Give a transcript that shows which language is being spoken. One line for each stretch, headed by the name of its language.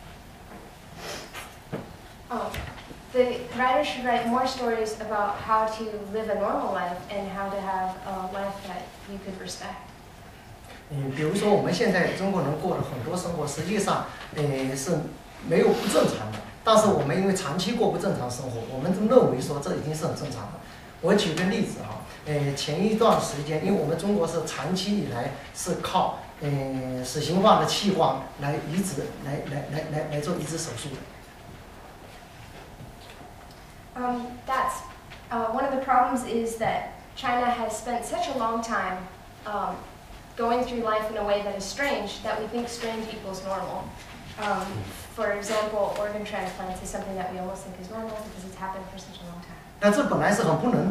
Chinese: 就是在现代的中国，什么是最重要的故事？作家应该写，或者是什么故事？我觉得应该写中国人，那中国人如何过正常的生活，过有尊严的生活，这样的故事。
English: The writer should write more stories about how to live a normal life and how to have a life that you could respect.
Chinese: 比如说我们现在中国人过得很多生活，实际上，是没有不正常的。但是我们因为长期过不正常生活，我们认为说这已经是很正常的。我举个例子，前一段时间，因为我们中国是长期以来是靠，死刑化的器官来移植，来做移植手术的。
English: One of the problems is that China has spent such a long time, going through life in a way that is strange, that we think strange equals normal. For example, organ transplants is something that we almost think is normal because it's happened for such a long time.